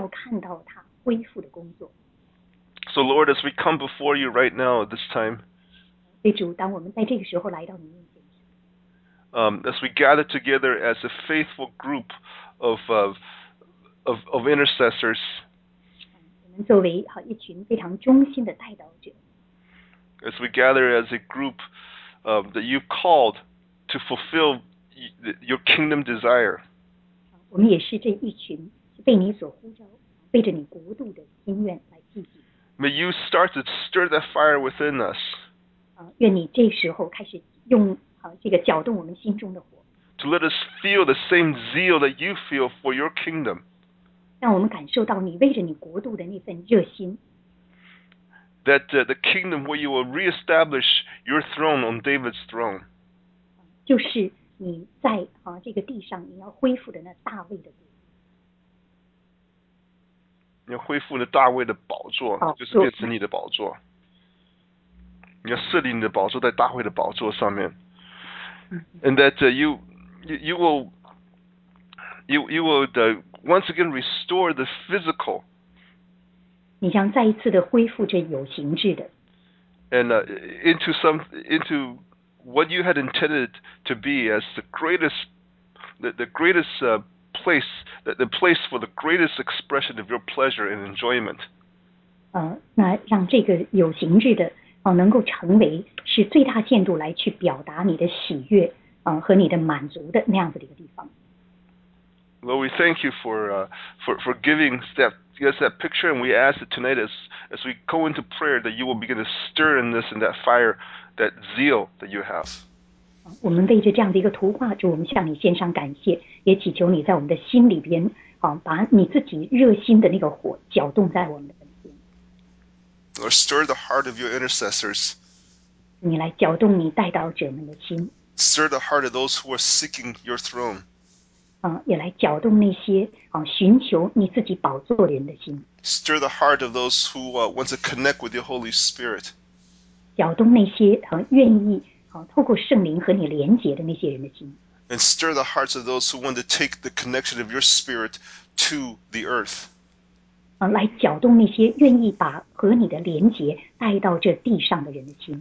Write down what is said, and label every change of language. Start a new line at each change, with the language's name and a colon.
English: So Lord, as we come before you right now at this time,
Chinese: 对主，当我们在这个时候来到你面前,
English: as we gather together as a faithful group of intercessors,
Chinese: 我们作为一群非常忠心的代祷者。
English: As we gather as a group that you've called to fulfill your kingdom desire.
Chinese: 我们也是这一群被你所呼召，背着你国度的心愿来聚集。
English: May you start to stir that fire within us.
Chinese: 愿你这时候开始用这个搅动我们心中的火。
English: To let us feel the same zeal that you feel for your kingdom.
Chinese: 让我们感受到你为着你国度的那份热心。
English: That the kingdom where you will reestablish your throne on David's throne.
Chinese: 就是你在这个地上你要恢复的那大卫的国。你要恢复那大卫的宝座，就是变成你的宝座。你要设立你的宝座在大卫的宝座上面。
English: And that you will once again restore the physical.
Chinese: 你将再一次的恢复这有形质的
English: ，and into what you had intended to be as the place for the greatest expression of your pleasure and enjoyment.
Chinese: 那让这个有形质的能够成为是最大限度来去表达你的喜悦和你的满足的那样子的一个地方。
English: Lord, we thank you for giving step. Yes, that picture, and we ask that tonight as we go into prayer that you will begin to stir in this and that fire, that zeal that you have.
Chinese: 我们为着这样的一个图画，主，我们向你献上感谢，也祈求你在我们的心里边，把你自己热心的那个火搅动在我们的心。
English: Lord, stir the heart of your intercessors.
Chinese: 你来搅动你代祷者们的心。
English: Stir the heart of those who are seeking your throne.
Chinese: 也来搅动那些寻求你自己宝座的人的心。
English: Stir the heart of those who want to connect with your Holy Spirit.
Chinese: 搅动那些愿意透过圣灵和你连结的那些人的心。
English: And stir the hearts of those who want to take the connection of your Spirit to the earth.
Chinese: 来搅动那些愿意把和你的连结带到这地上的人的心。